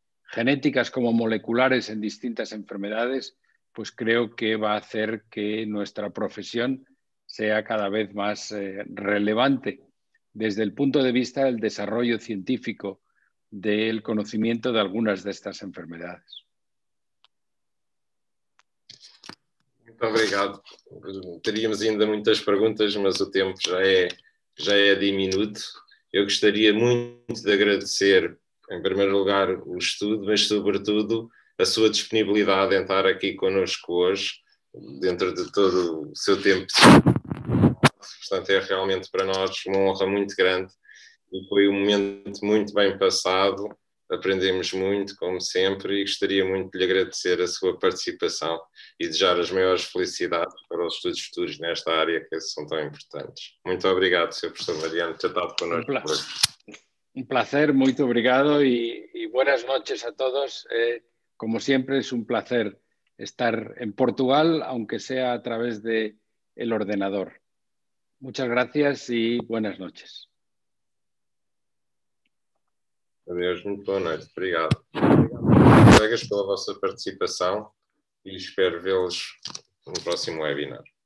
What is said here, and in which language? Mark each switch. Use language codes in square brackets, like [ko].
[es] genéticas como moleculares en distintas enfermedades, pues creo que va a hacer que nuestra profesión sea cada vez más relevante desde el punto de vista del desarrollo científico del conocimiento de algunas de estas enfermedades. [pt] Muito obrigado. Teríamos ainda muitas perguntas, mas o tempo já é diminuto. Eu gostaria muito de agradecer, em primeiro lugar, o estudo, mas sobretudo a sua disponibilidade em estar aqui connosco hoje, dentro de todo o seu tempo. Portanto, é realmente para nós uma honra muito grande e foi um momento muito bem passado. Aprendemos muito, como sempre, e gostaria muito de lhe agradecer a sua participação e desejar as maiores felicidades para os estudos futuros nesta área, que são tão importantes. Muito obrigado, Sr. Professor Mariano, por ter estado connosco. Um prazer, muito obrigado e boas noites a todos. [es] Como siempre, es un placer estar en Portugal, aunque sea a través del ordenador. Muchas gracias y buenas noches. Adiós, muy buena noche. Gracias por vuestra participación y espero verlos en un próximo webinar.